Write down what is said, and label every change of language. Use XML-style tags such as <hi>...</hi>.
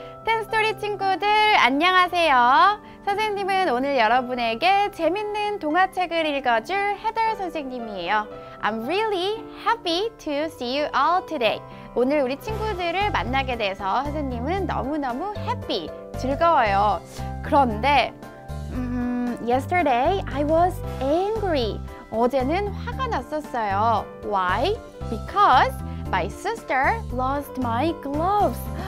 <ko>10 스토리 친구들, 안녕하세요. 선생님은 오늘 여러분에게 재밌는 동화책을 읽어줄 헤더 선생님이에요.</ko> <en>I'm really happy to see you all today.</en> <ko>오늘 우리 친구들을 만나게 돼서 선생님은 너무너무 happy, 즐거워요. 그런데,</ko> <en>yesterday I was angry.</en> <ko>어제는 화가 났었어요.</ko> <en>Why? Because my sister lost my gloves.</en>